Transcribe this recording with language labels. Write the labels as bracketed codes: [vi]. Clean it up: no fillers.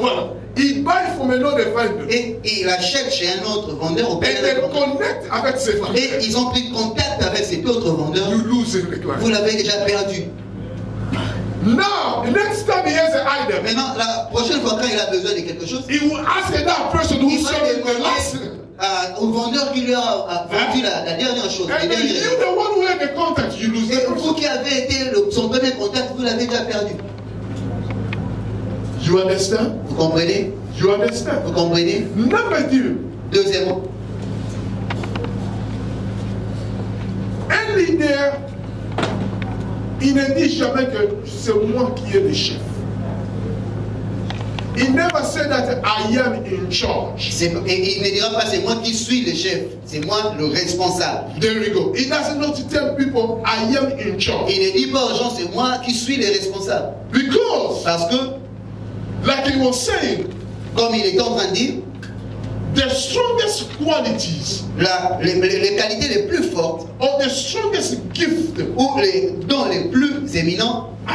[en] Voilà. He buy from another vendor. [fr] Et il achète chez un autre vendeur. Et il connecte avec ses vendeurs. Et ils ont pris contact avec cet autre vendeur. [en] You lose the client. [fr] Vous l'avez déjà perdu. [en] Now, next time he has an item. [fr] Maintenant, la prochaine fois quand il a besoin de quelque chose, [en] he will ask that person who sold the last. [fr] au vendeur qui lui a vendu la dernière chose. [en] And then you're the one who had the contact, you lose it. [fr] Et vous qui avez été son premier contact, vous l'avez déjà perdu. [en] You understand? [fr] Vous comprenez? [en] You understand? [fr] Vous comprenez? [en] Number two. [fr] Deuxièmement. Un leader, il ne dit jamais que c'est moi qui ai le chef. Il ne va pas dire que je suis en charge. Il ne dira pas c'est moi qui suis le chef, c'est moi le responsable. [en] There we go. He doesn't know to tell people I am in charge. [fr] Il ne dit pas aux gens c'est moi qui suis le responsable. [en] Because. [fr] Parce que. [en] Like he was saying. [fr] Comme il est en train de dire. [en] The strongest qualities. [fr] Les qualités les plus fortes. [en] Or the strongest gift. [fr] Ou les dons les plus éminents.